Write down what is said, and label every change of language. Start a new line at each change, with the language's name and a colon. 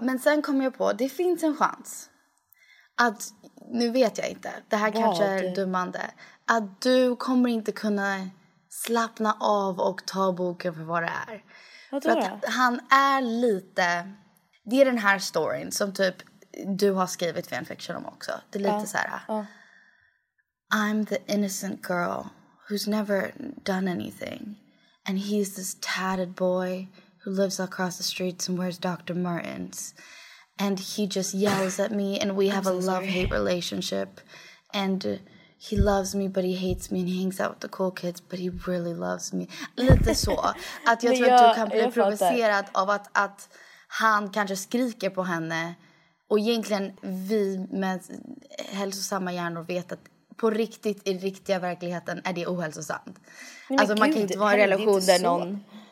Swedish: Men sen kom jag på, det finns en chans att, nu vet jag inte, det här kanske är dummande, att du kommer inte kunna slappna av och ta boken för vad det är. Vadå då? Han är lite, det är den här storyn som typ du har skrivit fanfiction om också. Det är lite så här.
English: I'm the innocent girl who's never done anything. And he's this tatted boy who lives across the streets and wears Dr. Martens. And he just yells at me and we have a love-hate relationship. And he loves me but he hates me and he hangs out with the cool kids but he really loves me.
Swedish: Lite så. Att jag tror att du kan bli provocerad av att han kanske skriker på henne. Och egentligen vi med hälsosamma hjärnor vet att på riktigt, i riktiga verkligheten, är det ohälsosamt. Nej, alltså, man kan inte vara i en relation där någon...